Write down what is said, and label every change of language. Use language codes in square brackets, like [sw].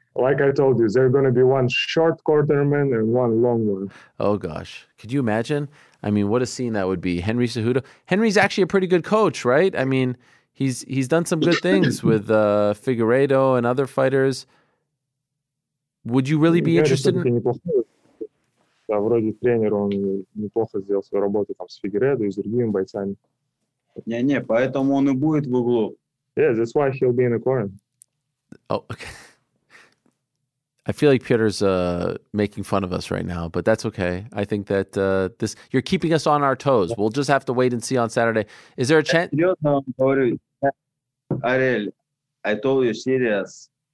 [en] Like I told you, there's going to be one short quarterman and one long one. Oh, gosh. Could you imagine? I mean, what a scene that would be. Henry Cejudo. Henry's actually a pretty good coach, right? I mean, he's done some good things with Figueiredo and other fighters. Would you really be interested in... [ru] Да, вроде тренер, он неплохо сделал свою работу там с Фигередо и с другими бойцами. Не-не, поэтому он и будет в углу. [en] Yeah, that's why he'll be in the corner. Oh, okay. I feel like Peter's making fun of us right now, but that's okay. I think that this you're keeping us on our toes. We'll just have to wait and see on Saturday. Is there a chance? Ariel, I told you serious.